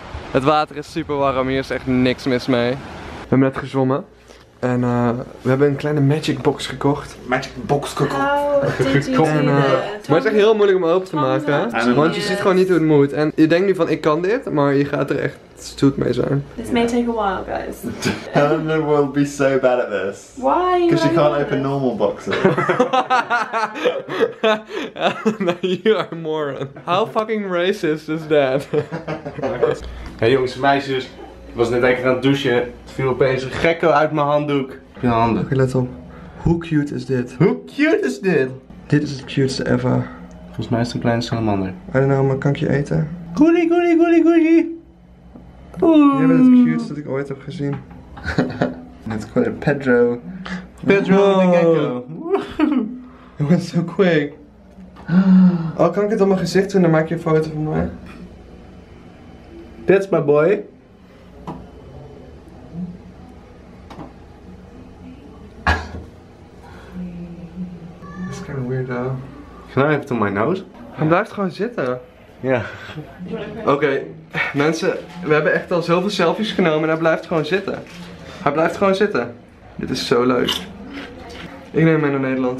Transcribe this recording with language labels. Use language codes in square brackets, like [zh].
[nl] Het water is super warm, hier is echt niks mis mee. We hebben net gezwommen en we hebben een kleine magic box gekocht. Magic box gekocht. Maar het is echt heel moeilijk om open te maken, want je ziet gewoon niet hoe het moet. En je denkt nu van ik kan dit, maar je gaat er echt stoet mee zijn. [en] This may take a while, guys. Helena will be so bad at this. Why? Because she can't open normal boxes. Helena, you are a moron. How fucking racist is that? [nl] Hey jongens en meisjes, ik was net even aan het douchen. Het viel opeens een gekko uit mijn handdoek. Ik heb je handen. Oké, let op. Hoe cute is dit? Hoe cute is dit? Dit is het cutest ever. Volgens mij is het een kleine salamander. [en] I don't know, [nl] maar kan ik je eten? Goedie, goedie, goedie, goedie. Jij bent het cutest dat ik ooit heb gezien. [en] Let's call it Pedro. [nl] Pedro de gecko. [en] It went so quick. [nl] Oh, kan ik het op mijn gezicht doen? Dan maak je een foto van mij. [en] That's my boy. That's kind of weird though. Can I have it on my nose? [nl] Hij blijft gewoon zitten. Ja. Oké, mensen, we hebben echt al zoveel selfies genomen en hij blijft gewoon zitten. Hij blijft gewoon zitten. Dit is zo leuk. Ik neem mij naar Nederland.